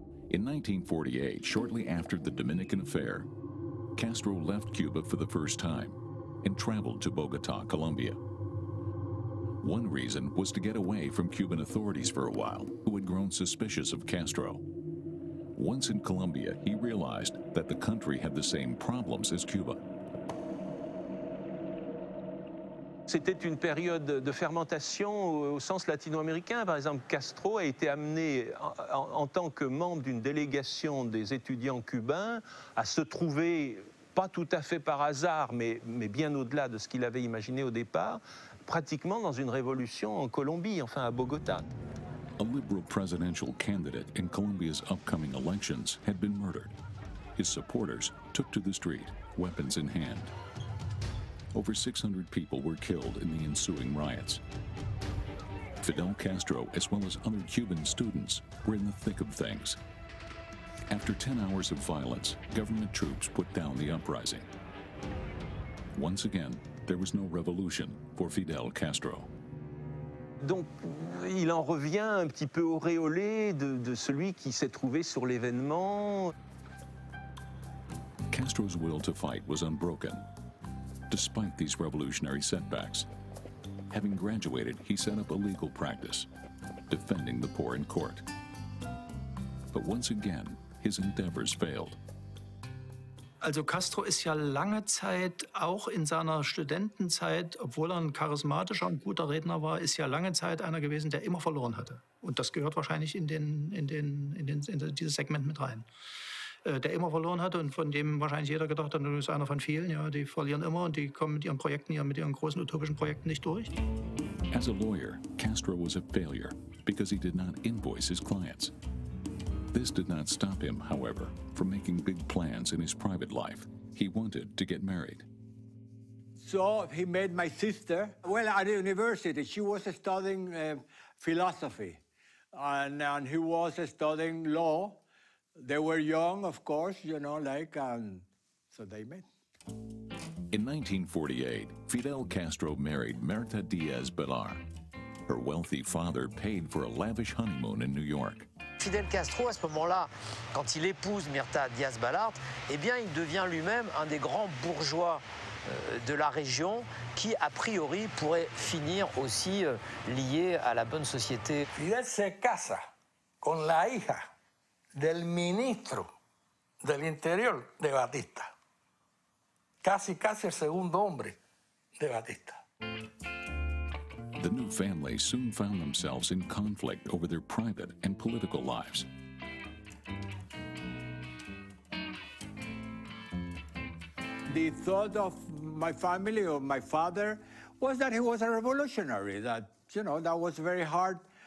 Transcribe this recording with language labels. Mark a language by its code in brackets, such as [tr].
[en] In 1948, shortly after the Dominican affair, Castro left Cuba for the first time and traveled to Bogota, Colombia. One reason was to get away from Cuban authorities for a while, who had grown suspicious of Castro. Once in Colombia, he realized that the country had the same problems as Cuba. [fr] C'était une période de fermentation au sens latino-américain. Par exemple, Castro a été amené en tant que membre d'une délégation des étudiants cubains à se trouver, pas tout à fait par hasard, mais bien au-delà de ce qu'il avait imaginé au départ, pratiquement dans une révolution en Colombie, enfin à Bogota. [en] A liberal presidential candidate in Colombia's upcoming elections had been murdered. His supporters took to the street, weapons in hand. Over 600 people were killed in the ensuing riots. Fidel Castro, as well as other Cuban students, were in the thick of things. After 10 hours of violence, government troops put down the uprising. Once again, there was no revolution for Fidel Castro. [fr] Donc, il en revient un petit peu auréolé de celui qui s'est trouvé sur l'événement. [en] Castro's will to fight was unbroken, despite these revolutionary setbacks. Having graduated, he set up a legal practice, defending the poor in court. But once again, his endeavors failed. [de] Also Castro ist ja lange Zeit, auch in seiner Studentenzeit, obwohl er ein charismatischer und guter Redner war, ist ja lange Zeit einer gewesen, der immer verloren hatte. Und das gehört wahrscheinlich in dieses Segment mit rein. Der immer verloren hatte und von dem wahrscheinlich jeder gedacht hat, das ist einer von vielen, ja, die verlieren immer und die kommen mit ihren Projekten hier, mit ihren großen utopischen Projekten nicht durch. [en] As a lawyer, Castro was a failure, because he did not invoice his clients. This did not stop him, however, from making big plans in his private life. He wanted to get married. So he met my sister. Well, at the university, she was studying philosophy, and he was studying law. They were young, of course, you know, like, and so they met. In 1948, Fidel Castro married Marta Diaz Belar. Her wealthy father paid for a lavish honeymoon in New York. [fr] Fidel Castro, à ce moment-là, quand il épouse Mirta Diaz-Balart, eh bien, il devient lui-même un des grands bourgeois de la région qui, a priori, pourrait finir aussi lié à la bonne société. [es] Fidel se casa con la hija del ministro del interior de Batista. Casi, casi el segundo hombre de Batista. [en] The new family soon found themselves in conflict over their private and political lives. The thought of my family or my father was that he was a revolutionary, that, you know, that was very hard.